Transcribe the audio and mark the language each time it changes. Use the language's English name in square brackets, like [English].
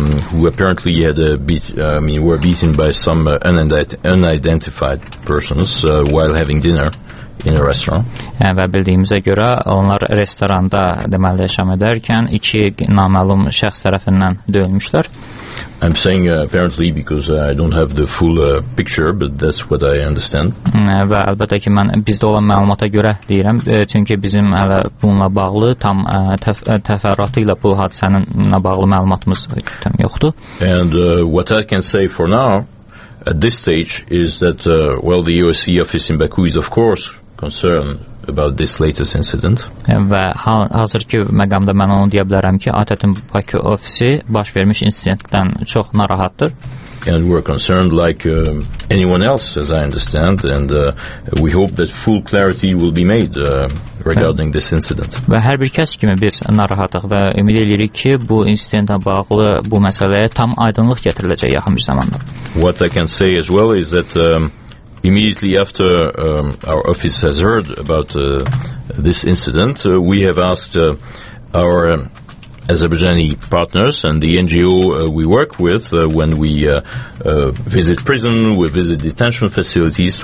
[English] Who apparently had a beat, were beaten by some unidentified persons while having dinner in a restaurant. [Azerbaijani] Və bildiyimizə görə onlar restoranda, deməli, şam edərkən iki naməlum şəxs tərəfindən döyülmüşlər. [English] I'm saying apparently because I don't have the full picture, but that's what I understand. [Azerbaijani] Və əlbəttə ki, mən bizdə olan məlumata görə deyirəm, çünki bizim hələ bununla bağlı tam təfərrüatı ilə bu hadisənin bağlı məlumatımız tam yoxdur. [English] And what I can say for now at this stage is that well, the OSC office in Baku is of course concerned about this latest incident. [Azerbaijani] Və hazır ki məqamda mən onu deyə bilərəm ki, ATƏT-in Bakı ofisi baş vermiş incidentdən çox narahatdır. [English] And we're concerned like anyone else, as I understand, and we hope that full clarity will be made regarding this incident. [Azerbaijani] Və hər bir kəs kimi biz narahatıq və ümid edirik ki, bu incidentə bağlı bu məsələyə tam aydınlıq gətiriləcək yaxın bir zamanda. [English] What I can say as well is that immediately after our office has heard about this incident, we have asked our Azerbaijani partners and the NGO we work with when we visit prison, we visit detention facilities.